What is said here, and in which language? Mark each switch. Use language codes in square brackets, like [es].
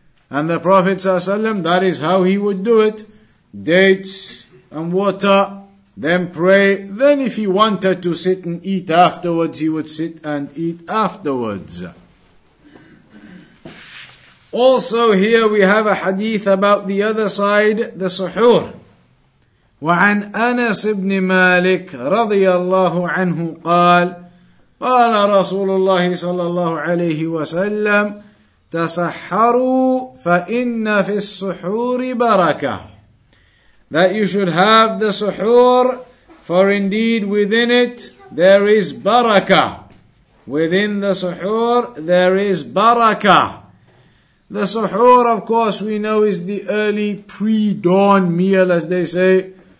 [en] And the Prophet ﷺ, that is how he would do it. Dates and water, then pray, then if he wanted to sit and eat afterwards, he would sit and eat afterwards. Also here we have a hadith about the other side, the suhoor. [ar] وعن أنس بن مالك رضي الله عنه قال قال رسول الله صلى الله عليه وسلم تسحروا فإن في السحور بركة. [en] That you should have the suhoor, for indeed within it there is baraka. Within the suhoor there is baraka. The suhoor, of course, we know is the early pre-dawn meal, as they say.